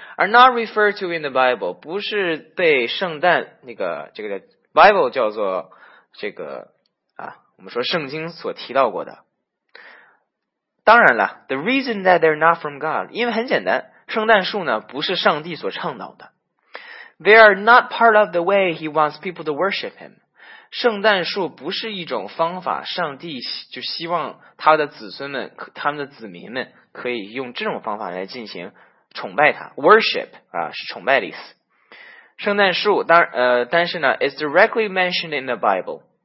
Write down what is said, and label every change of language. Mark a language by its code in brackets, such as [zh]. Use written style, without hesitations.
[en] are not referred to in the Bible， [zh] 不是被圣诞那个这个 Bible 叫做这个我们说圣经所提到过的。当然了 [en] the reason that they're not from God， [zh] 因为很简单，圣诞树呢不是上帝所倡导的。 [en] They are not part of the way he wants people to worship him， [zh] 圣诞树不是一种方法上帝就希望他的子孙们他们的子民们可以用这种方法来进行崇拜他 ,worship, 啊是崇拜的意思。圣诞树当然但是呢 , [en] is directly mentioned in the Bible.